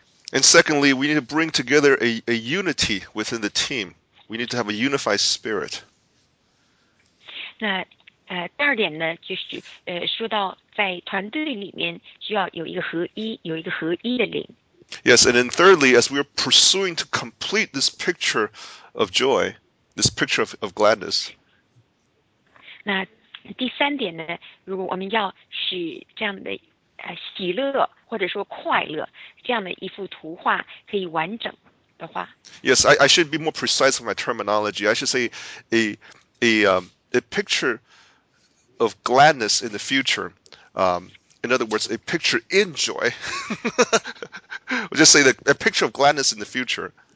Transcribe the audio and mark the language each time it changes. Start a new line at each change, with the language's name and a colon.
English: And secondly, we need to bring together a unity within the team. We need to have a unified spirit.
Chinese: 那第二点呢，就是说到在团队里面需要有一个合一，有一个合一的灵。
English: Yes, and then thirdly, as we are pursuing to complete this picture of joy, this picture of gladness.
Chinese: 那第三点呢，如果我们要使这样的 喜乐或者说快乐这样的一幅图画可以完整的话。
English: Yes, I should be more precise with my terminology. I should say a picture of gladness in the future. In other words, a picture in joy. We'll just say that a picture of gladness in the future.